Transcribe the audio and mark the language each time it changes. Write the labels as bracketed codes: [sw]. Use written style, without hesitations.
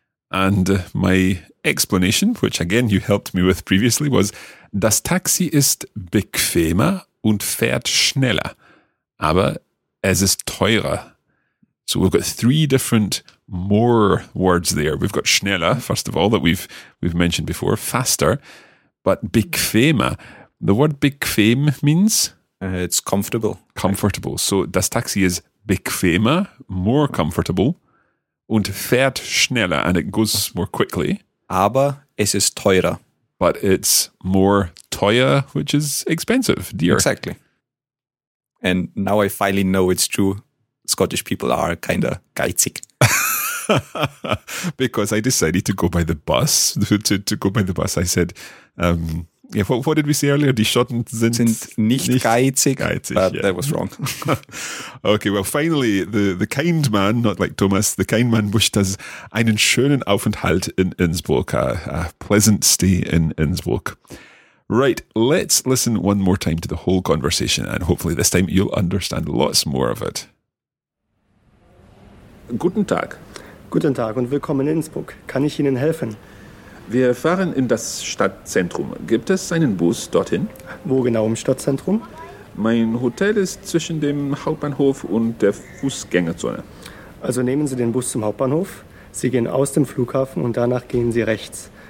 [en] And my explanation, which again you helped me with previously, was [de] das Taxi ist bequemer und fährt schneller, aber es ist teurer. [en] So we've got three different more words there. We've got schneller, first of all, that we've mentioned before, faster, but bequemer. The word bequem means? It's comfortable. Comfortable. So [de] das Taxi ist bequemer, [en] more comfortable, [de] und fährt schneller, [en] and it goes more quickly. [de] Aber es ist teurer. [en] But it's more teuer, which is expensive, dear. Exactly. And now I finally know it's true. Scottish people are kind of geizig. Because I decided to go by the bus. To go by the bus, I said, what did we say earlier? [de] Die Schotten sind nicht geizig, [en] but yeah. That was wrong. Okay, well, finally, the kind man, not like Thomas, the kind man wished us [de] einen schönen Aufenthalt in Innsbruck, [en] a pleasant stay in Innsbruck. Right, let's listen one more time to the whole conversation, and hopefully this time you'll understand lots more of it. [de] Guten Tag. Guten Tag und willkommen in Innsbruck. Kann ich Ihnen helfen? Wir fahren in das Stadtzentrum. Gibt es einen Bus dorthin? Wo genau im Stadtzentrum? Mein Hotel ist zwischen dem Hauptbahnhof und der Fußgängerzone. Also nehmen Sie den Bus zum Hauptbahnhof. Sie gehen aus dem Flughafen und danach gehen Sie rechts.